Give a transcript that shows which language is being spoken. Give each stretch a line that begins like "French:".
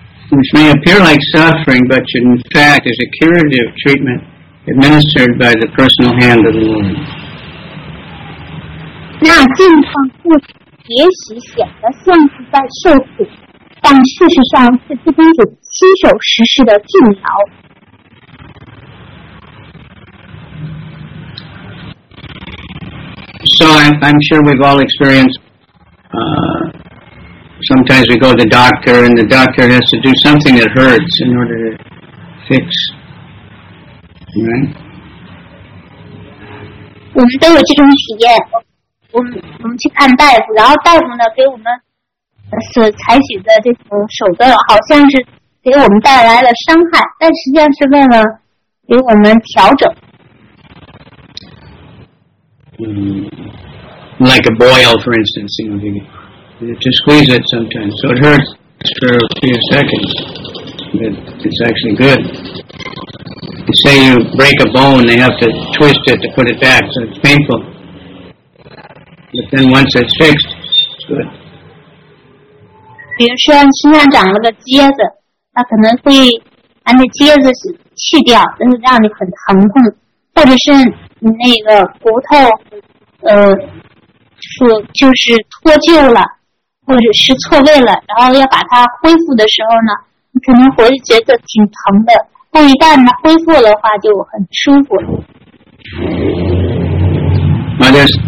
English: Which may appear like suffering, but in fact is a curative treatment administered by the personal hand of the Lord.
Chinese: 那境况不也许显得像是在受苦，但事实上是至尊主亲手实施的治疗。
English: So I'm sure we've all experienced. Sometimes we go to the doctor, and the doctor has to do something that hurts in order to fix, right?
Chinese: 我们都有这种体验。我们去看大夫，然后大夫呢给我们所采取的这种手段，好像是给我们带来了伤害，但实际上是为了给我们调整。
English: Like a boil, for instance, you know. To squeeze it sometimes, so it hurts for a few seconds, but it's actually good. You say you break a bone, they have to twist it to put it back, so it's painful. But then once it's fixed, it's good.
Chinese: 比如说身上长了个疖子，那可能会把那疖子去掉，但是让你很疼痛，或者是你那个骨头，就是脱臼了，或者是错位了，然后要把它恢复的时候呢，你可能会觉得挺疼的，但一旦它恢复的话就很舒服了。